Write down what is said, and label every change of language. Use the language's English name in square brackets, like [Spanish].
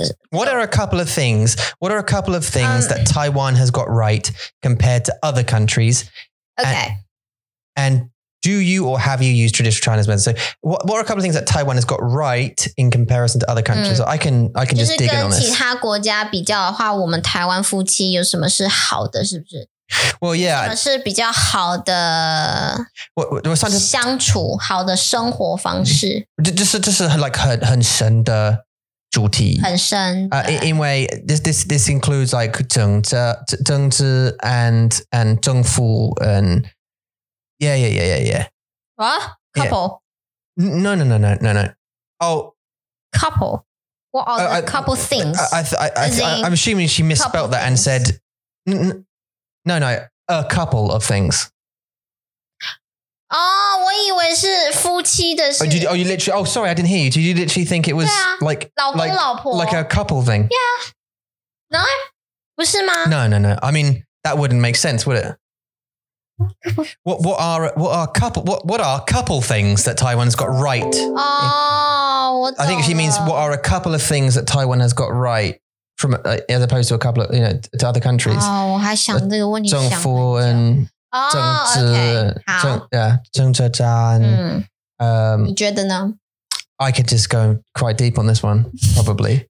[English] What are a couple of things that Taiwan has got right compared to other countries? Okay. And do you or have you used traditional Chinese medicine? So what are a couple of things that Taiwan has got right in comparison to other countries? So I can just dig in on this. [Chinese] 就是跟其他国家比较的话，我们台湾夫妻有什么是好的，是不是？ [English] Well, yeah. [Chinese] 什么是比较好的相处，好的生活方式。就是 like 很深的主题。很深。 [English] 因为 this includes like 政治 and 政府 and... Yeah. What? Couple? Yeah. No. Oh. Couple? What are the couple things? I'm assuming she misspelled that and said, no, no, a couple of things. [Chinese] Oh, 我以为是夫妻的事。 [English] Oh, you literally, oh, sorry, I didn't hear you. Did you literally think it was like, [Chinese] 老公老婆? [English] Like a couple thing? Yeah. No? [Chinese] 不是吗? [English] No, no, no. I mean, that wouldn't make sense, would it? What are a couple things that Taiwan's got right? Oh, I think she means what are a couple of things that Taiwan has got right from as opposed to a couple of, you know, to other countries. [Chinese] Oh, 我还想这个问题。政治，政治，政治，政治，政治。 [English] I could just go quite deep on this one, probably.